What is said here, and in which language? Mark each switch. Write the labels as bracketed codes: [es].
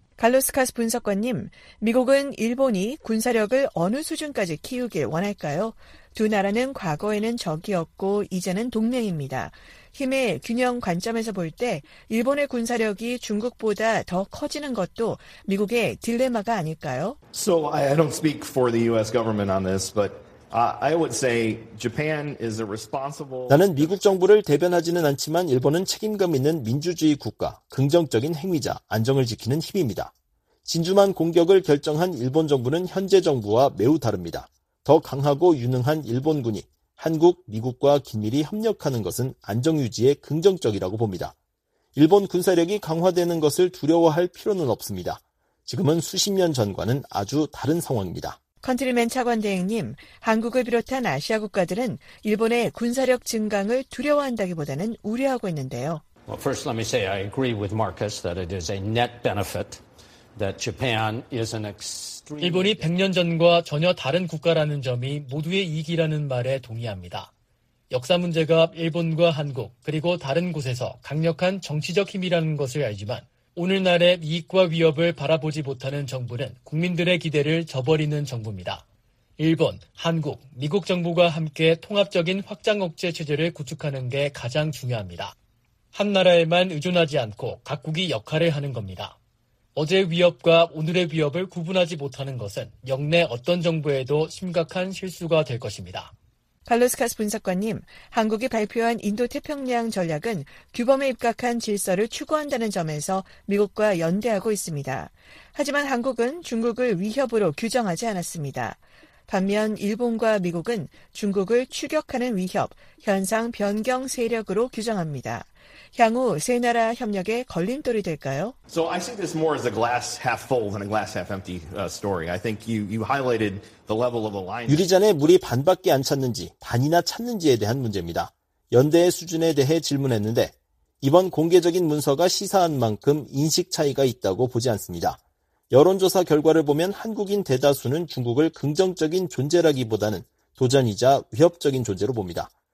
[ko] 갈로스카스 분석관님, 미국은 일본이 군사력을 어느 수준까지 키우길 원할까요? 두 나라는 과거에는 적이었고 이제는 동맹입니다. 힘의 균형 관점에서 볼 때 일본의 군사력이 중국보다 더 커지는 것도 미국의 딜레마가 아닐까요? [en] So I don't speak for the U.S. government on this, but I would say Japan is a responsible. [ko] 나는 미국 정부를 대변하지는 않지만 일본은 책임감 있는 민주주의 국가, 긍정적인 행위자, 안정을 지키는 힘입니다. 진주만 공격을 결정한 일본 정부는 현재 정부와 매우 다릅니다. 더 강하고 유능한 일본군이 한국, 미국과 긴밀히 협력하는 것은 안정 유지에 긍정적이라고 봅니다. 일본 군사력이 강화되는 것을 두려워할 필요는 없습니다. 지금은 수십 년 전과는 아주 다른 상황입니다. 컨트리맨 차관 대행님, 한국을 비롯한 아시아 국가들은 일본의 군사력 증강을 두려워한다기보다는 우려하고 있는데요. [en] Well, first let me say I agree with Marcus that it is a net benefit that Japan is an extreme. [ko] 일본이 100년 전과 전혀 다른 국가라는 점이 모두의 이익이라는 말에 동의합니다. 역사 문제가 일본과 한국 그리고 다른 곳에서 강력한 정치적 힘이라는 것을 알지만 오늘날의 이익과 위협을 바라보지 못하는 정부는 국민들의 기대를 저버리는 정부입니다. 일본, 한국, 미국 정부가 함께 통합적인 확장 억제 체제를 구축하는 게 가장 중요합니다. 한 나라에만 의존하지 않고 각국이 역할을 하는 겁니다. 어제 위협과 오늘의 위협을 구분하지 못하는 것은 역내 어떤 정부에도 심각한 실수가 될 것입니다. 갈로스카스 분석관님, 한국이 발표한 인도태평양 전략은 규범에 입각한 질서를 추구한다는 점에서 미국과 연대하고 있습니다. 하지만 한국은 중국을 위협으로 규정하지 않았습니다. 반면 일본과 미국은 중국을 추격하는 위협, 현상 변경 세력으로 규정합니다. 향후 세 나라 협력에 걸림돌이 될까요? [en] So I see this more as a glass half full than a glass half empty story. I think you highlighted the level of alliance. [ko] 유리잔에 물이 반밖에 안 찼는지 반이나 찼는지에 대한 문제입니다. 연대의 수준에 대해 질문했는데 이번 공개적인 문서가 시사한 만큼 인식 차이가 있다고 보지 않습니다. 여론조사 결과를 보면 한국인 대다수는 중국을 긍정적인 존재라기보다는 도전이자 위협적인 존재로 봅니다.